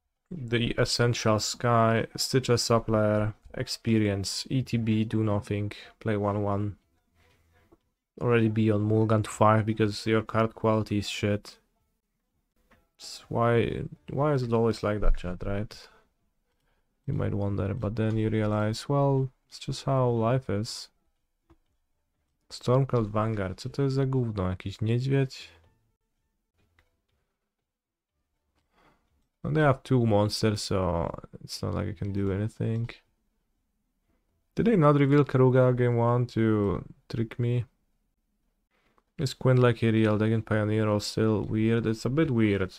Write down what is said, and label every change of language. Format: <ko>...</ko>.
<en>The Essential Sky, Stitcher Supplier, Experience, ETB, Do Nothing, play 1-1. Already be on Mulligan to 5 because your card quality is shit. Why is it always like that, chat, right? You might wonder, but then you realize, well, it's just how life is.</en> <pl>Stormcloud Vanguard, co to jest za gówno? Jakiś niedźwiedź?</pl> <en>And they have two monsters, so it's not like I can do anything. Did they not reveal Karuga game 1 to trick me? Is Quinn like a real deck in Pioneer or still weird? It's a bit weird.</en>